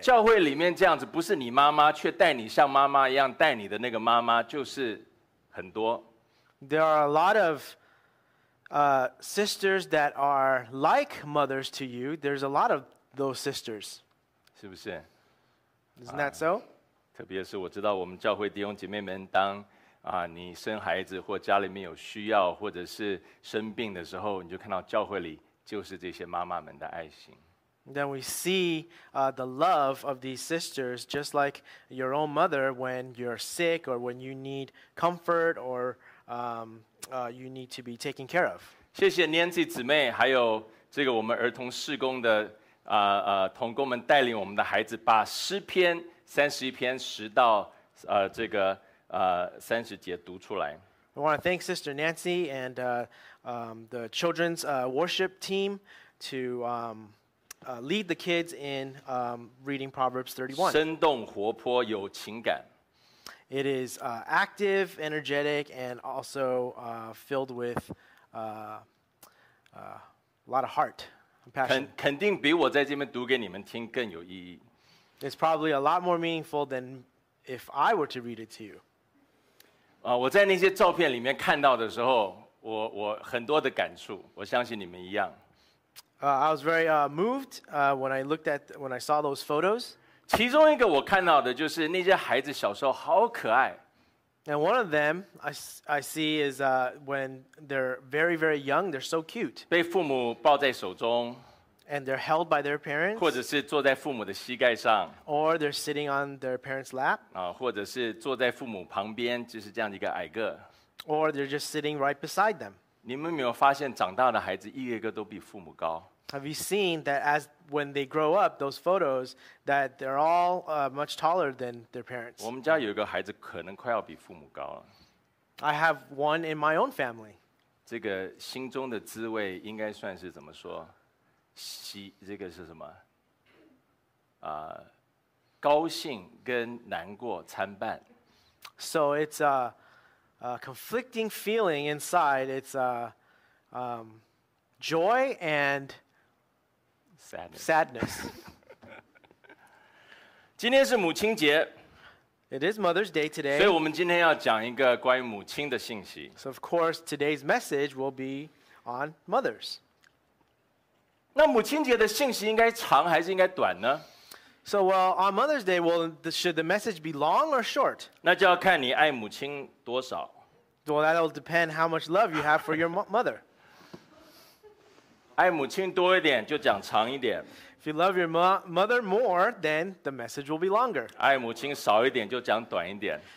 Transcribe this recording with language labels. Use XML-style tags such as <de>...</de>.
<zh>教会里面这样子，不是你妈妈，却带你像妈妈一样带你的那个妈妈，就是很多。</zh> <en>There are a lot of sisters that are like mothers to you. There's a lot of those sisters.</en> <zh>是不是？</zh> <en>Isn't that so?</en> <zh>特别是我知道我们教会弟兄姐妹们当你生孩子或家里面有需要或者是生病的时候，你就看到教会里就是这些妈妈们的爱心。</zh> <en>Then we see the love of these sisters, just like your own mother when you're sick or when you need comfort or you need to be taken care of.</en> <zh>谢谢 Nancy 姊妹，还有这个我们儿童事工的同工们带领我们的孩子把诗篇31篇10到30节读出来。</zh> <en>We want to thank Sister Nancy and the children's worship team to lead the kids in reading Proverbs 31.</en> <zh>生动活泼有情感。</zh> <en>It is active, energetic, and also filled with a lot of heart and passion.</en> <zh>肯定比我在这边读给你们听更有意义。</zh> <en>It's probably a lot more meaningful than if I were to read it to you.</en> <zh>我在那些照片里面看到的时候，我很多的感触，我相信你们一样。</zh> <en>I was very moved when I saw those photos.</en> <zh>其中一个我看到的就是那些孩子小时候好可爱。</zh> <en>And one of them I see is when they're very, very young, they're so cute.</en> <zh>被父母抱在手中。</zh> <en>And they're held by their parents.</en> <zh>或者是坐在父母的膝盖上。</zh> <en>Or they're sitting on their parents' lap.</en> <zh>或者是坐在父母旁边，就是这样一个矮个。</zh> <en>Or they're just sitting right beside them.</en> <zh>你们有没有发现长大的孩子一个一个都比父母高？</zh> <en>Have you seen that as when they grow up, those photos, that they're all much taller than their parents?</en> <zh>我们家有一个孩子可能快要比父母高了。</zh> <en>I have one in my own family.</en> <zh>这个心中的滋味应该算是怎么说？这个是什么？高兴跟难过参半。</zh> <en>So it's a conflicting feeling inside. It's joy and sadness.</en> <zh>今天是母亲节。</zh> <en>It is Mother's Day today.</en> <zh>所以我们今天要讲一个关于母亲的信息。</zh> <en>So of course today's message will be on mothers.</en> <zh>那母亲节的信息应该长还是应该短呢？</zh> <en>So, well, on Mother's Day, well, should the message be long or short?</en> <zh>那就要看你爱母亲多少。</zh> <en>Well, that'll depend how much love you have for your mother.</en> <zh>爱母亲多一点就讲长一点。</zh> <en>If you love your mother more, then the message will be longer.</en> <zh>爱母亲少一点就讲短一点。</zh>